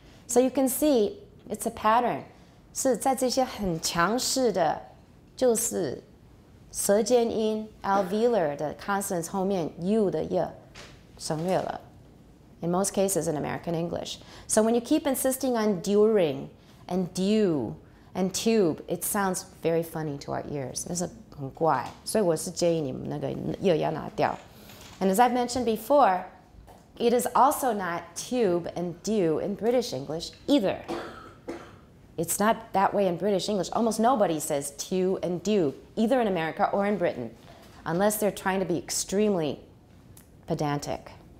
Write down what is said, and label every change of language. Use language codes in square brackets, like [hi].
[zh] So you can see, it's a pattern. 是在这些很强势的，就是舌尖音 alveolar 的 consonants 后面 u 的 y 省略了。 [en] In most cases in American English. So when you keep insisting on during and due and tube, it sounds very funny to our ears. [zh] 那是很怪，所以我是建议你们那个 y 要拿掉。 [en] And as I've mentioned before,It is also not tube and dew in British English either. It's not that way in British English. Almost nobody says tew and dew, either in America or in Britain, unless they're trying to be extremely pedantic.